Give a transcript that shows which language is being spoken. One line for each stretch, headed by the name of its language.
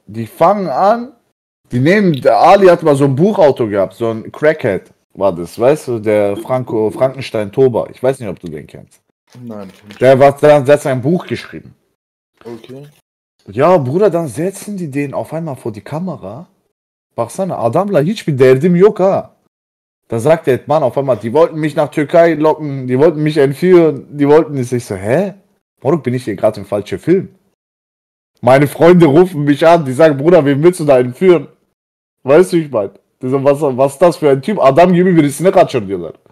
German: Die fangen an, die nehmen, der Ali hat mal so ein Buchauto gehabt, so ein Crackhead war das, weißt du, der Frankenstein Toba. Ich weiß nicht, ob du den kennst. Nein. Der hat sein Buch geschrieben. Okay. Ja, Bruder, dann setzen die den auf einmal vor die Kamera.
Turkish: Baksana, Adamla hiç bir derdim yok ha.
German: Da sagt der Mann auf einmal, die wollten mich nach Türkei locken, die wollten mich entführen, die wollten es. Ich so, hä? Warum bin ich hier gerade im falschen Film? Meine Freunde rufen mich an, die sagen, Bruder, wen willst du da entführen? Weißt du, ich meine, was ist das für ein Typ? Adam Gibi wird es nicht gerade schon gesagt.